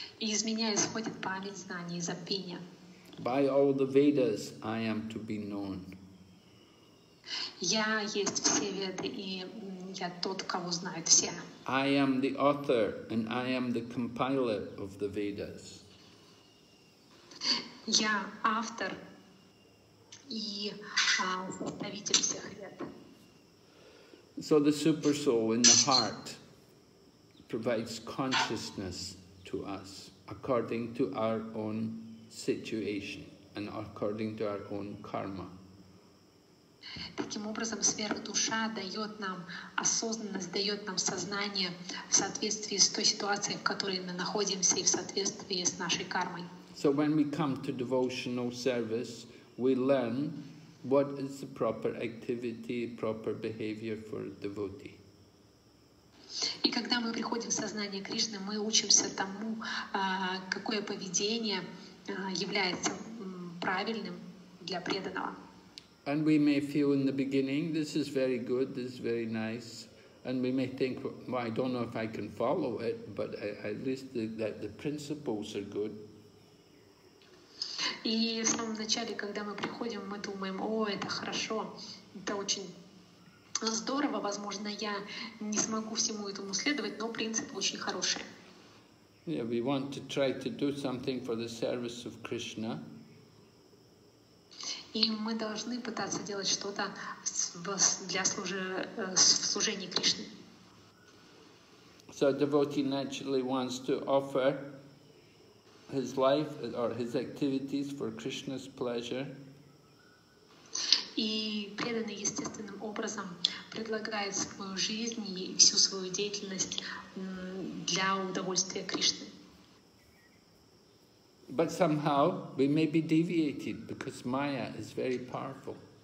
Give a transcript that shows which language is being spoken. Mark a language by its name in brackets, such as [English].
[Russian] Из меня исходит память, знание, забвение. [English] By all the Vedas, I am to be known. [Russian] Я есть все веды, и я тот, кого знают все. [English] I am the author, and I am the compiler of the Vedas. [Russian] Я автор и составитель всех вед. [English] So the super soul in the heart provides consciousness to us according to our own situation and according to our own karma. [Russian] Таким образом, сверхдуша дает нам осознанность, дает нам сознание в соответствии с той ситуацией, в которой мы находимся, и в соответствии с нашей кармой. [English] So when we come to devotional service, we learn what is the proper activity, proper behavior for a devotee? [Russian] И когда мы приходим в сознание Кришны, мы учимся тому, какое поведение является правильным для преданного. [English] And we may feel in the beginning, this is very good, this is very nice, and we may think, well, I don't know if I can follow it, but at least the principles are good. [Russian] И в самом начале, когда мы приходим, мы думаем, о, это хорошо, Это очень здорово. Возможно, я не смогу всему этому следовать, но принципы очень хорошие. [English] Yeah, we want to try to do something for the service of Krishna. [Russian] И мы должны пытаться делать что-то для служения Кришне. [English] So a devotee naturally wants to offer his life or his activities for Krishna's pleasure. [Russian] И преданный естественным образом предлагает свою жизнь и всю свою деятельность для удовольствия Кришны. [English] But somehow we may be deviated because Maya is very powerful.